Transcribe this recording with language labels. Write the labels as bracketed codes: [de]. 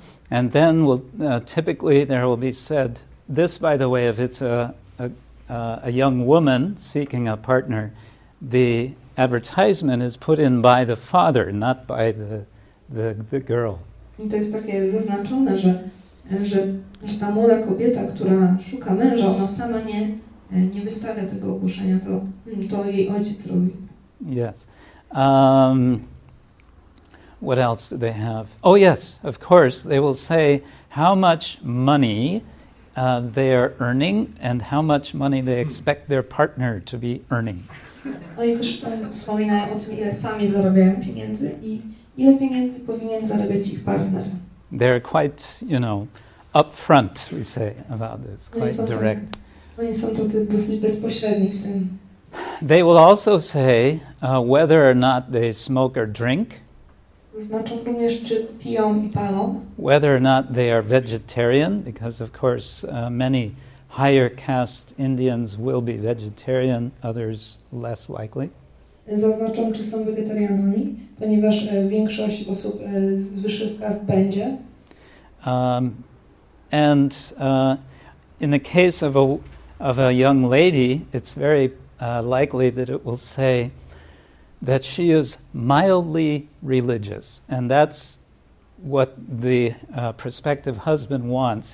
[en] And then we'll, typically there will be said, this, by the way, if it's a young woman seeking a partner, the advertisement is put in by the father, not by the girl. [pl] To jest takie zaznaczone, że ta młoda kobieta, która szuka męża, ona sama nie wystawia tego ogłoszenia, to jej ojciec robi. [en] Yes. What else do they have? Oh yes, of course, they will say how much money they are earning and how much money they expect their partner to be earning. [pl] Oni też wspominają o tym, ile sami zarabiają pieniędzy i ile pieniędzy powinien zarabiać ich partner. [en] They're quite, you know, upfront, we say about this, quite direct. [pl] Oni są tacy dosyć bezpośredni w tym. [en] They will also say whether or not they smoke or drink. [pl] Znaczą również, czy piją i palą. [en] Whether or not they are vegetarian, because of course many higher caste Indians will be vegetarian, others less likely. [pl] Zaznaczą, czy są wegetarianami, ponieważ większość osób z wyższych kast będzie. [en] And in the case of a young lady, it's very likely that it will say that she is mildly religious, and that's what the prospective husband wants.